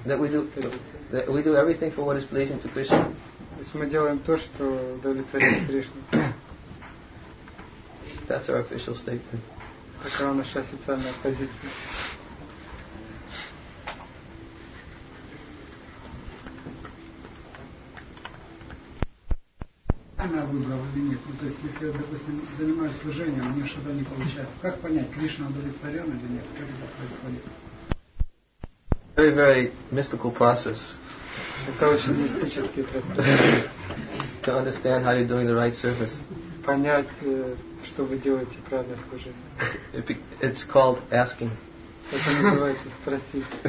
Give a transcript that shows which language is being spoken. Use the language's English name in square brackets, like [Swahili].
[English] That we do everything for what is pleasing to Krishna. [Russian] То есть мы делаем то, что удовлетворяет Кришну. [English] That's our official statement. [Russian] Такая наша официальная позиция. Правильно выбрал или нет? Ну, то есть, если я, допустим, занимаюсь служением, у меня что-то не получается. Как понять, Кришна удовлетворен или нет? Как это происходит? [English] Very, very mystical process. [Russian] Это очень мистический процесс. [English] To understand how you're doing the right service. [Russian] Понять, что вы делаете правильное служение. [English] It's called asking. [Russian] Это называется спросить.